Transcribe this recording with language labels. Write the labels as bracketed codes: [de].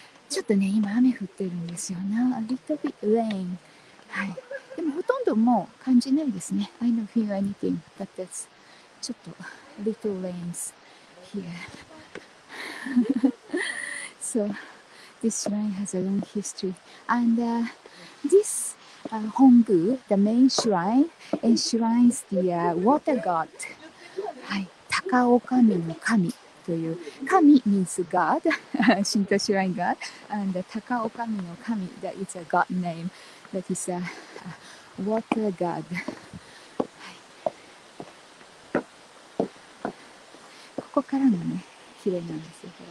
[ja] ちょっとね、今雨降ってるんですよ。 [en] Now a little bit rain. はい。 [ja] でもほとんどもう感じないですね。 [en] I don't feel anything, but that's ちょっと little rains here. So this shrine has a long history, and this Hongu, the main shrine, enshrines the water god. Hi, Takaokami no kami という kami means god, Shinto shrine god, and Takaokami no kami that is a god name, that is a water god. [ja] ここからもね、綺麗なんですよ。